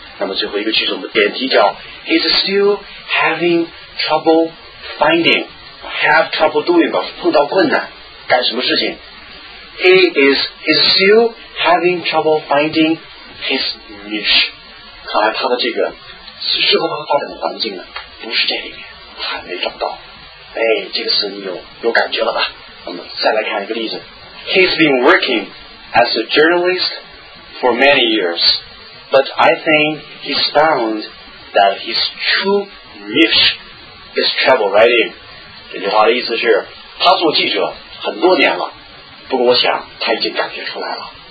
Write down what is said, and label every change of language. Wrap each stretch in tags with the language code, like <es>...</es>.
<zh>那么最后一个句子，我们点题叫</zh> <en>he's still having trouble finding， have trouble doing，</en> <zh>碰到困难，干什么事情？</zh> <en>he's still having trouble finding his niche，</en> <zh>看来他的这个适合他发展的环境呢，不是这里面，还没找到。哎，这个词你有感觉了吧？我们再来看一个例子。</zh> <en>He's been working as a journalist for many years, but I think he's found that his true niche is travel writing.</en> <zh>这句话的意思是，他做记者很多年了，不过我想他已经感觉出来了。</zh>